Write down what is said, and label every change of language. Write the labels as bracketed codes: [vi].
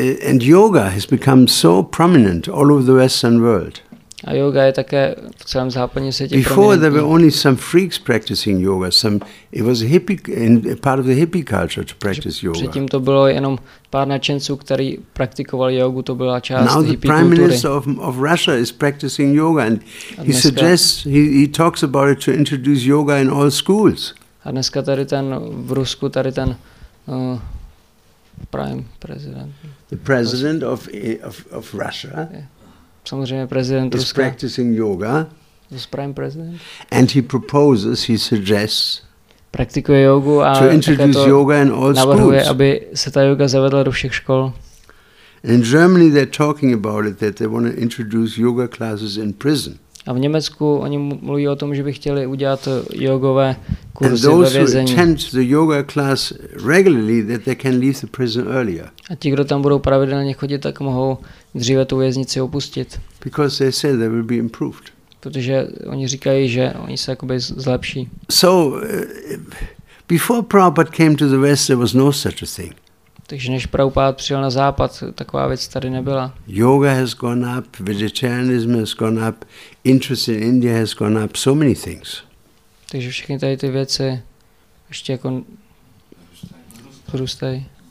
[en] And yoga has become so prominent all over the Western world. [cs] A yoga je také v celém západním světě. [en] Before [cs] prominentní. [en] There were only some freaks practicing yoga. It was a hippie, part of the hippie culture to practice yoga. [cs] Předtím to bylo jenom pár nadšenců, kteří praktikovali jogu. To byla část hippie kultury. [en] Now the prime minister of Russia is practicing yoga, and he suggests he talks about it to introduce yoga in all schools. [cs] A dneska tady ten v Rusku tady ten [en] prime president. The president of Russia. Yeah. [cs] Samozřejmě prezident Ruska. [en] Is practicing yoga. Is prime president. And he proposes, he suggests. [cs] Praktikuje jogu a [en] to introduce yoga in all schools. [cs] Navrhuje, aby se ta yoga zavedla do všech škol. [en] In Germany they're talking about it that they want to introduce yoga classes in prison. [cs] A v Německu oni mluví o tom, že by chtěli udělat jogové kurzy ve vězení. And [en] those who attend the yoga class regularly, that they can leave the prison earlier. [cs] A ti, kdo tam budou pravidelně chodit, tak mohou dříve tu věznici opustit. [en] Because they say they will be improved. [cs] Protože oni říkají, že oni se jakoby zlepší. [en] So before Prabhupada came to the West, there was no such a thing. [cs] Takže než Prabhupada přijel na západ, taková věc tady nebyla. [en] Yoga has gone up, vegetarianism has gone up, interest in India has gone up, so many things. [cs] Takže všechny tady ty věci ještě jako růstají.